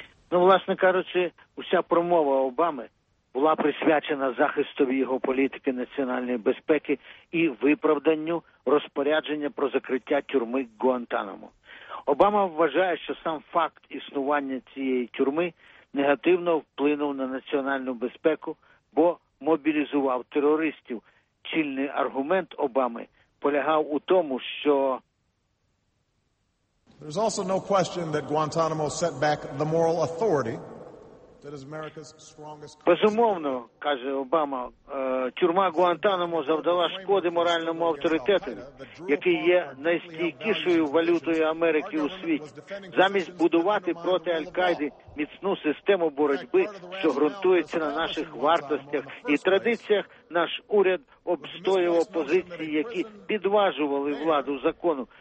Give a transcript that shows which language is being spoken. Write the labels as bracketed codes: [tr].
[uk] Ну, власне кажучи, уся промова Обами була присвячена захисту його політики національної безпеки і виправданню розпорядження про закриття тюрми Гуантанамо. Обама вважає, що сам факт існування цієї тюрми негативно вплинув на національну безпеку, бо мобілізував терористів. Чільний аргумент Обами полягав у тому, що [en] There's also no question that Guantanamo set back the moral authority that is America's strongest. [uk] Безумовно, каже Обама, тюрма Гуантанамо завдала шкоди моральному авторитету, який є найстійкішою валютою Америки у світі. Замість будувати проти Аль-Каїди міцну систему боротьби, що ґрунтується на наших вартостях і традиціях, наш уряд обстоював позиції, які підважували владу закону.